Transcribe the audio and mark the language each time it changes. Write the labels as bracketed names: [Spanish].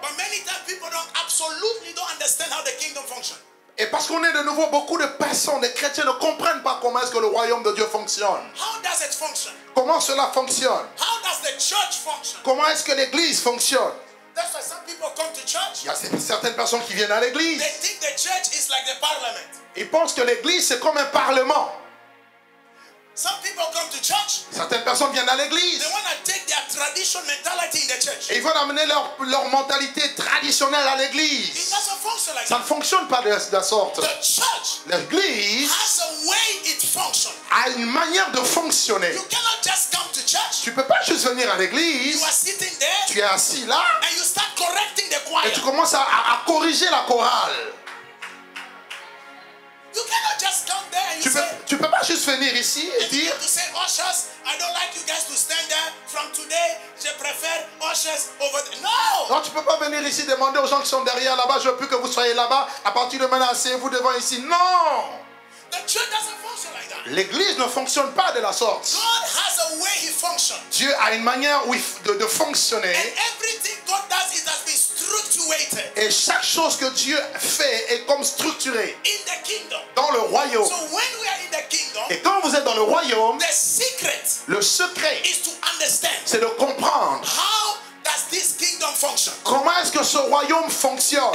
[English] But many times people don't absolutely don't understand how the kingdom functions. [French] Et parce qu'on est de nouveau, beaucoup de personnes, des chrétiens ne comprennent pas comment est-ce que le royaume de Dieu fonctionne. [English] How does it function? [French] Comment cela fonctionne? [English] How does the church function? [French] Comment est-ce que l'église fonctionne? [English] That's why some people come to church. [French] Il y a certaines personnes qui viennent à l'église. [English] They think the church is like the parliament. [French] Ils pensent que l'église c'est comme un parlement. [English] Some people come to church. [French] Certaines personnes viennent à l'église. [English] They want to take their tradition mentality in the church. [French] Et ils veulent amener leur mentalité traditionnelle à l'église. [English] It doesn't function like [French] ça ne fonctionne pas de la sorte. [English] The church, [French] l'église, [English] has a way it functions. [French] A une manière de fonctionner. [English] You cannot just come to church. [French] Tu peux pas juste venir à l'église. [English] You are sitting there. [French] Tu es assis là. [English] And you start correcting the choir. [French] Et tu commences à corriger la chorale. [English] You cannot just come there and you [French] tu peux pas juste venir ici et dire. [English] To say, ushers, I don't like you guys to stand there. From today, [French] je préfère [English] ushers over there. No. [French] Non, tu peux pas venir ici demander aux gens qui sont derrière là-bas. Je veux plus que vous soyez là-bas. À partir de maintenant, asseyez-vous devant ici. Non. [English] The church doesn't function like that. [French] L'église ne fonctionne pas de la sorte. [English] God has a way he functions. [French] Dieu a une manière de fonctionner. [English] And everything God does is as being structured. [French] Et chaque chose que Dieu fait est comme structurée. [English] In the kingdom. [French] Dans le royaume. [English] So when we are in the kingdom, [French] et quand vous êtes dans le royaume, [English] the secret, [French] le secret [English] is to understand. [French] C'est de comprendre. [English] How does this kingdom function? [French] Comment est-ce que ce royaume fonctionne?